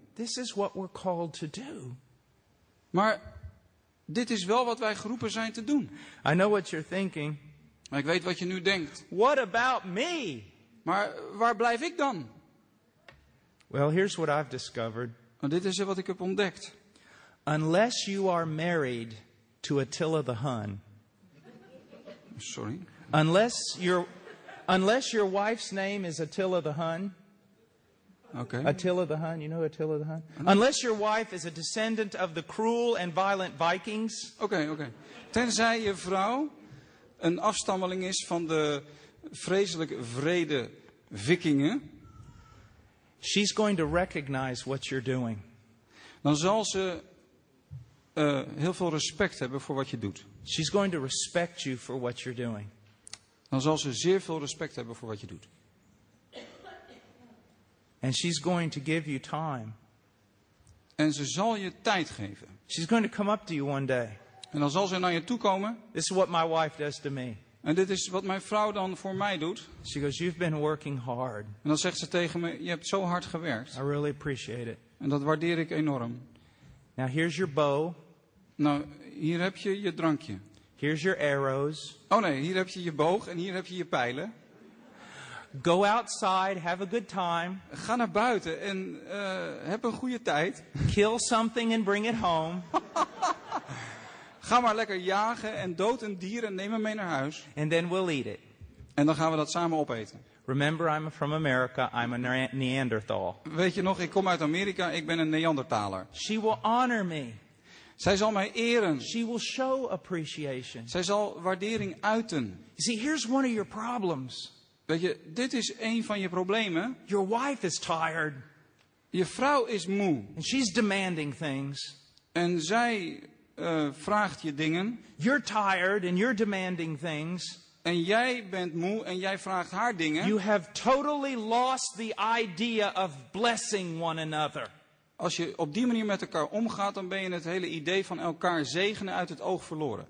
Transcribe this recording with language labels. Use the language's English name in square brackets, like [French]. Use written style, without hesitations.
[English] This is what we're called to do. [Dutch] Maar dit is wel wat wij geroepen zijn te doen. [English] I know what you're thinking. [Dutch] Ik weet wat je nu denkt. [English] What about me? [Dutch] Maar waar blijf ik dan? [English] Well, here's what I've discovered. [Dutch] En dit is wat ik heb ontdekt. [English] Unless you are married to Attila the Hun. Sorry. Unless your wife's name is Attila the Hun. Okay. Attila the Hun, you know Attila the Hun? Unless your wife is a descendant of the cruel and violent Vikings. Okay. [Dutch] Tenzij je vrouw een afstammeling is van de vreselijk vrede Vikingen. [English] She's going to recognize what you're doing. [Dutch] Dan zal ze heel veel respect hebben voor wat je doet. [English] She's going to respect you for what you're doing. [Dutch] Dan zal ze zeer veel respect hebben voor wat je doet. [English] And she's going to give you time. [Dutch] En ze zal je tijd geven. [English] She's going to come up to you one day. [Dutch] En dan zal ze naar je toe komen. [English] This is what my wife does to me. [Dutch] En dit is wat mijn vrouw dan voor mij doet. [English] She goes, you've been working hard. [Dutch] En dan zegt ze tegen me, je hebt zo hard gewerkt. [English] I really appreciate it. [Dutch] En dat waardeer ik enorm. [English] Now here's your bow. [Dutch] Nou, hier heb je je drankje. [English] Here's your arrows. [Dutch] Oh nee, hier heb je je boog en hier heb je je pijlen. [English] Go outside, have a good time. [Dutch] Ga naar buiten en heb een goede tijd. [English] Kill something and bring it home. [Dutch] Ga maar lekker jagen en dood een dier en neem hem mee naar huis. [English] And then we'll eat it. [Dutch] En dan gaan we dat samen opeten. [English] Remember, I'm from America. I'm a Neanderthal. [Dutch] Weet je nog, ik kom uit Amerika. Ik ben een Neandertaler. [English] She will honor me. [Dutch] Zij zal mij eren. [English] She will show appreciation. [Dutch] Zij zal waardering uiten. [English] You see, here's one of your problems. [Dutch] Weet je, dit is een van je problemen. [English] Your wife is tired. [Dutch] Je vrouw is moe. [English] And she's demanding things. [Dutch] En zij vraagt je dingen. [English] You're tired and you're demanding things. [Dutch] En jij bent moe en jij vraagt haar dingen. [English] You have totally lost the idea of blessing one another. [Dutch] Als je op die manier met elkaar omgaat, dan ben je het hele idee van elkaar zegenen uit het oog verloren.